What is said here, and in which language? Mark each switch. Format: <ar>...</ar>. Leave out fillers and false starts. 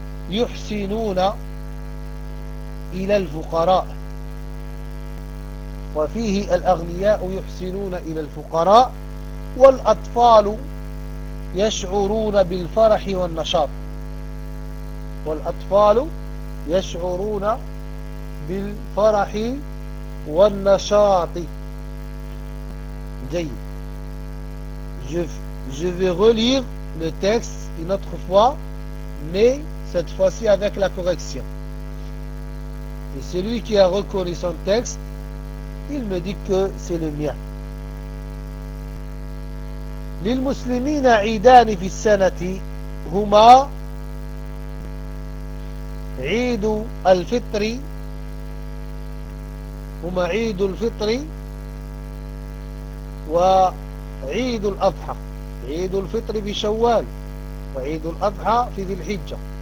<ar>يحسنون إلى الفقراء، وفيه الأغنياء يحسنون إلى الفقراء، والأطفال يشعرون بالفرح والنشاط، والأطفال يشعرون بالفرح والنشاط. جيد.</ar> <fr>Je vais relire le texte une autre fois, mais cette fois-ci avec la correction. Et celui qui a reconnu son texte, il me dit que c'est le mien.</fr> <ar>للمسلمين عيدان في السنة، هما عيد الفطر، هما عيد الفطر وعيد الأضحى، عيد الفطر في شوال وعيد الأضحى في ذي الحجة.</ar>